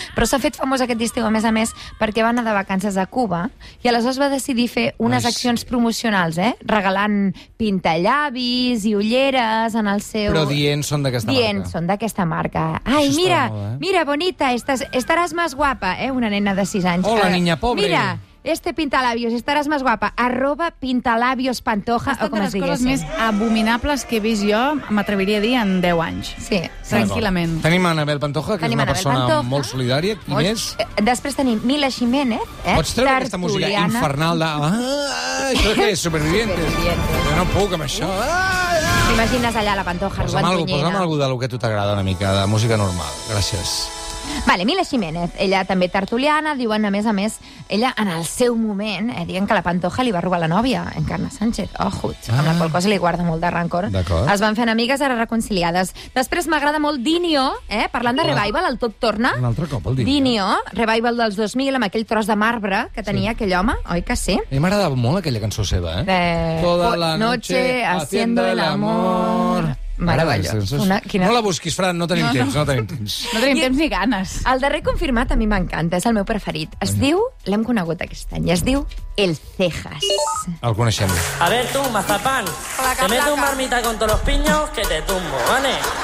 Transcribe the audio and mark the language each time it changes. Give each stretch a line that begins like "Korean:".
Catalan: Però s'ha fet famosa aquest estiu, a més, perquè va anar de vacances a Cuba i aleshores va decidir fer unes accions promocionals, regalant pintallavis i ulleres en el seu... Però dient són d'aquesta marca. Dient són d'aquesta marca. Ai, mira, mira, bonita, estaràs més guapa, una nena de 6 anys.
Spanish: Hola, niña pobre. Mira, este pintalabios, estarás más guapa, @pintalabiospantoja,
Catalan: o com es digui. Una de les coses més abominables que he vist jo, m'atreviria a dir, en 10 anys. Sí. Tranquil·lament. Tenim Anabel Pantoja, que és una persona Pantoja. Molt solidària. Qui Oix. Més? Després tenim Mila Jiménez, tertuliana. Pots treure aquesta música infernal de... Això què és? Supervivientes. Supervivientes. Jo no puc amb això. T'imagines allà la Pantoja, posa'm arruant llenya. Posa'm algú del que a tu t'agrada una mica, de música normal. Gràcies. Vale, Mila Jiménez, ella també tertuliana, diuen, a més, ella en el seu moment, diuen que la Pantoja li va robar la nòvia, Encarna Sánchez, amb la qual cosa li guarda molt de rancor. D'acord. Es van fent amigues ara reconciliades. Després m'agrada molt Dinio, parlant de Revival, el tot torna. Un altre cop, el Dinio. Revival dels 2000, amb aquell tros de marbre que tenia aquell home, oi que sí? A mi m'agrada molt aquella cançó seva,
Spanish: Toda la noche haciendo el amor...
Catalan: No la busquis, Fran, no tenim temps. No tenim temps ni ganes. El darrer confirmat a mi m'encanta, és el meu preferit. Es diu, l'hem conegut aquest any, es diu El Cejas. El coneixem.
Spanish: A ver tú, mazapán, te meto un marmita con todos los piños que te tumbo, ¿vale?